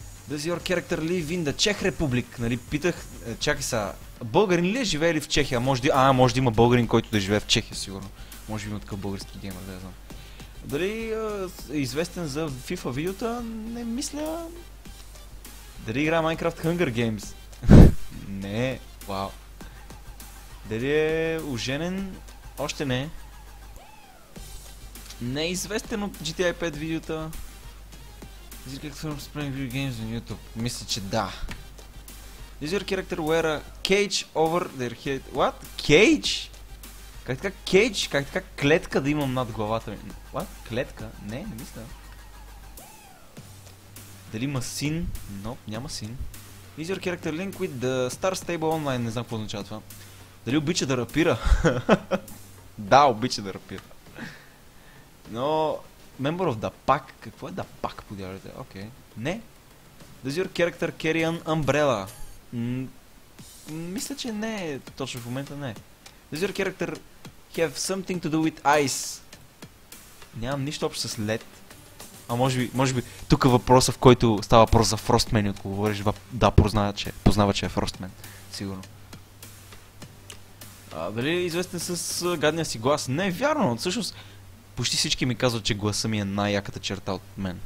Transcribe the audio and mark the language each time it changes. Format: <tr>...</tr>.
<en>Does your character live in the Czech Republic?</en> <bg>Нали, питах, чакай са, българин ли е живее ли в Чехия? Може да има българин, който да живее в Чехия, сигурно. Може би има такъв български геймер, да я знам. Дали е известен за FIFA видеота? Не мисля. Дали играе Minecraft Hunger Games? Не, вау. Дали е оженен? Още не. Не е известен от GTA 5 видеота.</bg> <en>Is your character playing video games on YouTube?</en> <bg>Мисля, че да.</bg> <en>Is your character wear a cage over their head? What? Cage?</en> <bg>Как така cage? Как така клетка да имам над главата ми?</bg> <en>What?</en> <bg>Клетка? Не, не мисля. Дали има син?</bg> <en>Nope,</en> <bg>няма син.</bg> <en>Is your character linked with the Star Stable Online?</en> <bg>Не знам какво означава това. Дали обича да рапира? Да, обича да рапира. Но...</bg> <en>Member of the pack?</en> <bg>Какво е</bg> <en>the pack,</en> <bg>подявайте? Окей.</bg> <en>Okay.</en> <bg>Не.</bg> <en>Does your character carry an umbrella?</en> <bg>Мисля, че не. Точно в момента не.</bg> <en>Does your character have something to do with ice?</en> <bg>Нямам нищо общо с лед. А може би, може би тук е въпросът, в който става въпрос за Фростмен и от кого говориш, да, познава, че е Фростмен. Сигурно. А, дали е известен с гадния си глас? Не, вярно, но всъщност почти всички ми казват, че гласа ми е най-яката черта от мен.</bg>